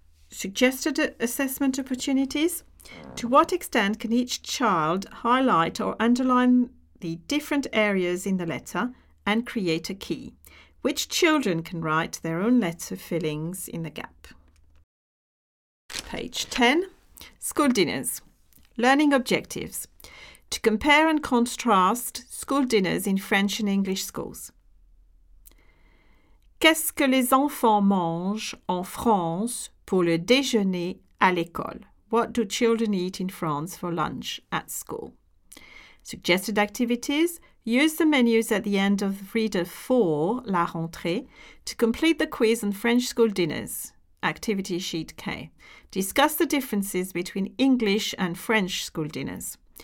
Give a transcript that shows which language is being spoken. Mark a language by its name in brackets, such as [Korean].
[English] Suggested assessment opportunities. To what extent can each child highlight or underline the different areas in the letter and create a key? Which children can write their own letter fillings in the gap? Page 10, school dinners. Learning objectives. To compare and contrast school dinners in French and English schools. [French] Qu'est-ce que les enfants mangent en France pour le déjeuner à l'école? [English] What do children eat in France for lunch at school? Suggested activities. Use the menus at the end of reader 4, La Rentrée, to complete the quiz on French school dinners. Activity sheet K. Discuss the differences between English and French school dinners.